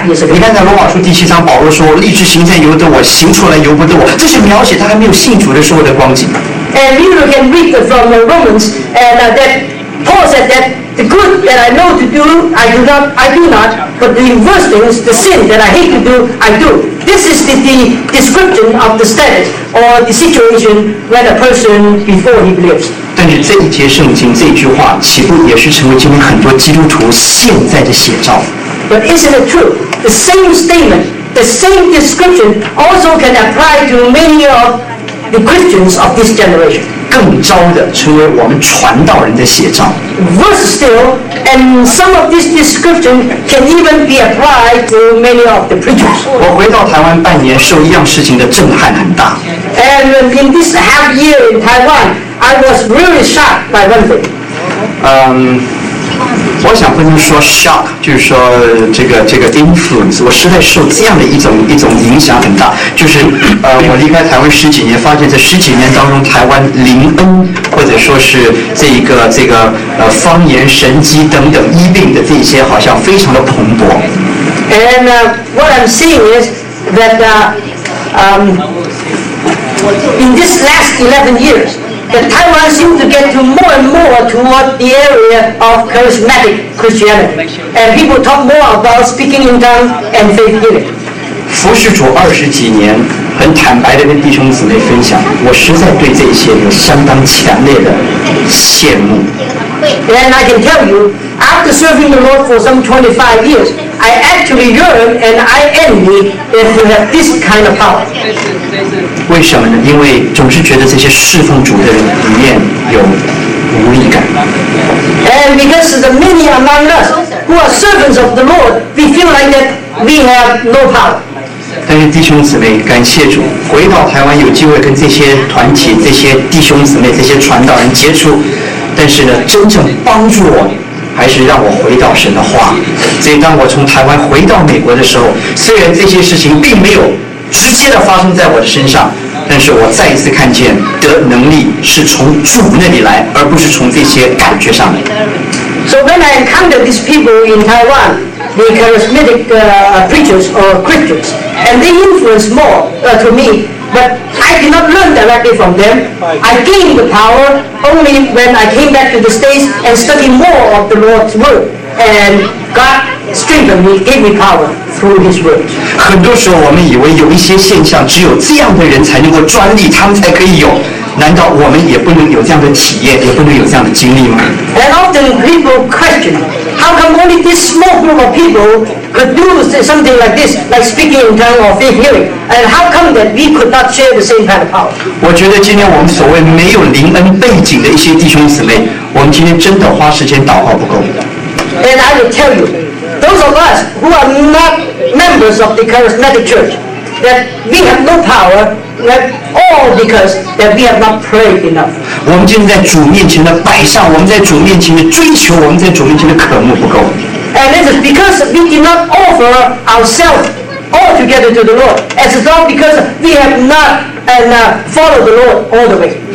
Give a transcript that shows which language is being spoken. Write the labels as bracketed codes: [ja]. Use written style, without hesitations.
[zh] 你看在罗马书第七章保罗说立志行善由得我行出来由不得我，这是描写他还没有信主的时候的光景。 [en] And you can read from the Romans and that Paul said that the good that I know to do I do not but the worst things, the sin that I hate to do I do. This is the description of the status or the situation when a person before he believes. [zh] 但是这一节圣经这句话岂不也是成为今天很多基督徒现在的写照。 [en] But isn't it true? The same statement, the same description also can apply to many of the Christians of this generation. [zh] 更招的成为我们传道人的写照。 [en] Worse still, and some of this description can even be applied to many of the preachers. [zh] 我回到台湾半年，受一样事情的震撼很大。 [en] And in this half year in Taiwan, I was really shocked by one thing. [zh] 我想不能说 shock， 就是说这个 influence， 我实在受这样的一种影响很大，就是我离开台湾十几年，发现这十几年当中，台湾灵恩或者说是这个方言神迹等等医病的这些好像非常的蓬勃。 [en] And what I'm seeing is that in this last 11 years. That Taiwan seems to get to more and more toward the area of charismatic Christianity, and people talk more about speaking in tongues and faith healing. [zh] 服侍主二十几年，很坦白地跟弟兄姊妹分享，我实在对这些有相当强烈的羡慕。 [en] And I can tell you, after serving the Lord for some 25 years, I actually yearn and I envy if you have this kind of power. [zh] 为什么呢？因为总是觉得这些侍奉主的人里面有无力感。 [en] And because the many among us who are servants of the Lord, we feel like that we have no power. [zh] 但是弟兄姊妹，感谢主，回到台湾有机会跟这些团体、这些弟兄姊妹、这些传道人接触，但是呢，真正帮助我。还是让我回到神的话。所以当我从台湾回到美国的时候，虽然这些事情并没有直接的发生在我的身上，但是我再一次看见的能力是从主那里来，而不是从这些感觉上来。 [en] So when I encountered these people in Taiwan, the charismatic preachers or Christians, and they influence more to me, but I did not learn directly from them. I gained the power only when I came back to the States and studied more of the Lord's word, and God strengthened me, gave me power. [zh] 很多时候我们以为有一些现象只有这样的人才能够专利，他们才可以有，难道我们也不能有这样的体验，也不能有这样的经历吗？ [en] And often people question, how come only this small group of people could do something like this, like speaking in tongues or faith healing, and how come that we could not share the same kind of power? [zh] 我觉得今天我们所谓没有灵恩背景的一些弟兄姊妹，我们今天真的花时间祷告不够。 [en] And I will tell youThose of us who are not members of the charismatic church, that we have no power, that all because that we have not prayed enough. [zh] 我们今天在主面前的摆上，我们在主面前的追求，我们在主面前的渴慕不够。 [en] And it is because we did not offer ourselves altogether to the Lord, as it's all because we have not and followed the Lord all the way.